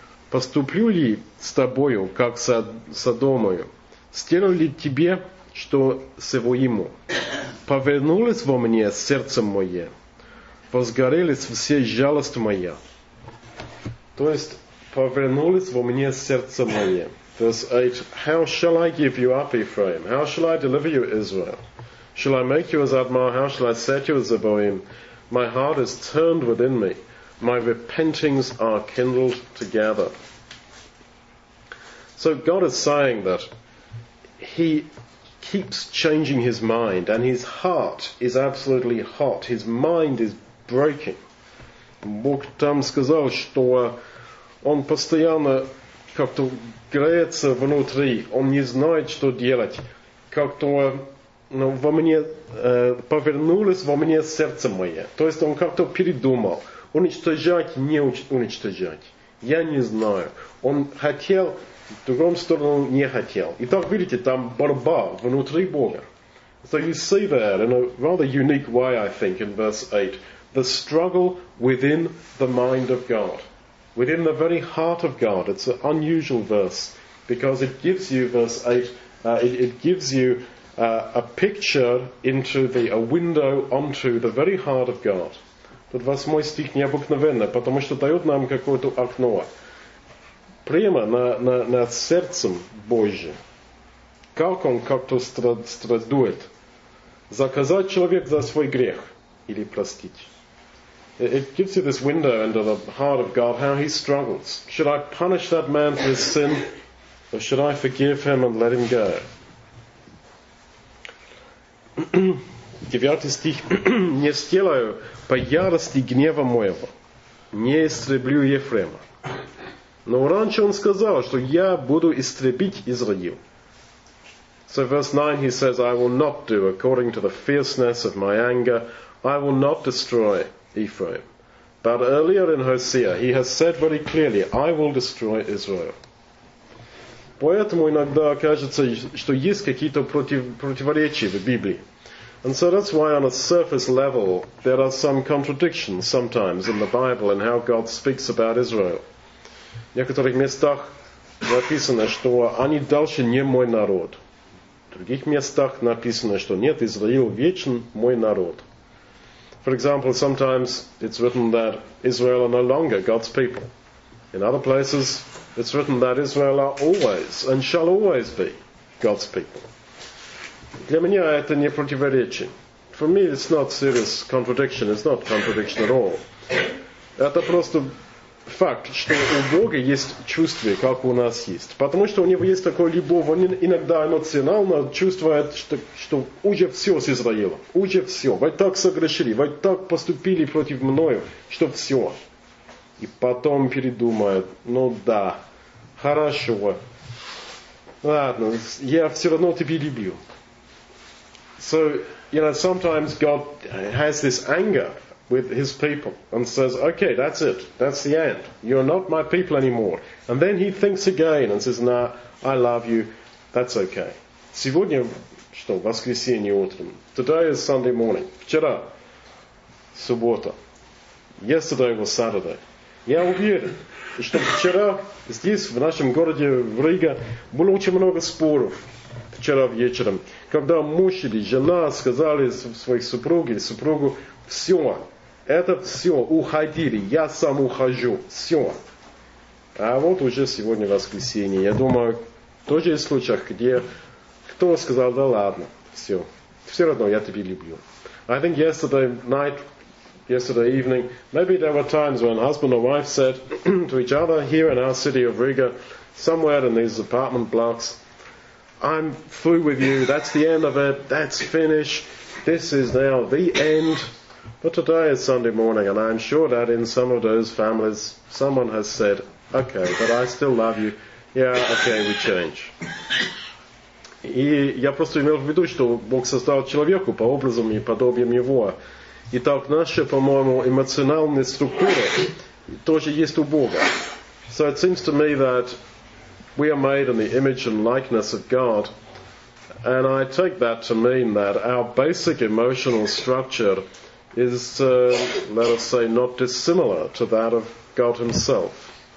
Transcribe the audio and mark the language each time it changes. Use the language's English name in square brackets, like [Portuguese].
[Russian] Поступлю ли с тобою, как с Содомою? Сделаю ли тебе, что Севоиму? Повернулось во мне сердце мое, возгорелись все жалость моя. То есть, повернулись во мне сердце мое. [English] Verse 8, how shall I give you up, Ephraim? How shall I deliver you, Israel? Shall I make you as Admah? How shall I set you as Zeboim? My heart is turned within me. My repentings are kindled together. So God is saying that he keeps changing his mind, and his heart is absolutely hot. His mind is breaking. [Russian] Бог там сказал, что он постоянно как-то греется внутри, он не знает, что делать. Как-то во мне повернулось во мне сердце мое. То есть он как-то передумал. Уничтожать, не уничтожать. Я не знаю. Он хотел, в другом сторону не хотел. Итак, видите, там борьба внутри Бога. [English] So you see there, in a rather unique way, I think, in verse 8, the struggle within the mind of God. Within the very heart of God. It's an unusual verse because it gives you, verse 8, a picture into a window onto the very heart of God. [Russian] Тут восьмой стих необыкновенный, потому что дает нам какое-то окно прямо на сердцем Божьим. Как он как-то страдует? Заказать человек за свой грех или простить? [English] It gives you this window into the heart of God, how he struggles. Should I punish that man for his sin, or should I forgive him and let him go? [Russian] Девятый стих. Не сделаю по ярости гнева моего, не истреблю Ефрема. Но раньше он сказал, что я буду истребить Израил. [English] So verse 9 he says, I will not do according to the fierceness of my anger, I will not destroy Ephraim. But earlier in Hosea, he has said very clearly, I will destroy Israel. [Russian] Поэтому иногда кажется, что есть какие-то противоречия в Библии. [English] And so that's why on a surface level, there are some contradictions sometimes in the Bible and how God speaks about Israel. [Russian] В некоторых местах написано, что они дальше не мой народ. В других местах написано, что нет, Израил вечен мой народ. [English] For example, sometimes it's written that Israel are no longer God's people. In other places, it's written that Israel are always and shall always be God's people. [Russian] Для меня это не противоречие. [English] For me, it's not serious contradiction. It's not contradiction at all. [Russian] Это просто факт, что у Бога есть чувства, как у нас есть. Потому что у него есть такое любовь. Он иногда эмоционально чувствует, что уже все с Израилом. Уже все. Вы так согрешили. Вы так поступили против мною, что все. И потом передумает. Ну да. Хорошо. Ладно. Я все равно тебя люблю. [English] So, you know, sometimes God has this anger with his people and says, okay, that's it, that's the end, you're not my people anymore. And then he thinks again and says, nah, I love you, that's okay. [Russian] Сегодня, что, воскресенье утром. [English] Today is Sunday morning. [Russian] Вчера, суббота. [English] Yesterday was Saturday. [Russian] Я уверен, что вчера здесь, в нашем городе, в Риге, было очень много споров. Вчера вечером. когда муж или жена сказали своих супруг или супругу, все, это все, уходили, я сам ухожу, все. А вот уже сегодня воскресенье. Я думаю, тоже есть случаи, где кто сказал, да ладно, все. Все равно я тебя люблю. [English] I think yesterday night, yesterday evening, maybe there were times when husband or wife said to each other here in our city of Riga, somewhere in these apartment blocks, I'm through with you, that's the end of it, that's finished, this is now the end. But today is Sunday morning, and I'm sure that in some of those families, someone has said, okay, but I still love you. Yeah, okay, we change. [Russian] И я просто имел в виду, что Бог создал человеку по образу и подобию его. И так наша, по-моему, эмоциональная структура тоже есть у Бога. [English] So it seems to me that we are made in the image and likeness of God. And I take that to mean that our basic emotional structure is, let us say, not dissimilar to that of God himself.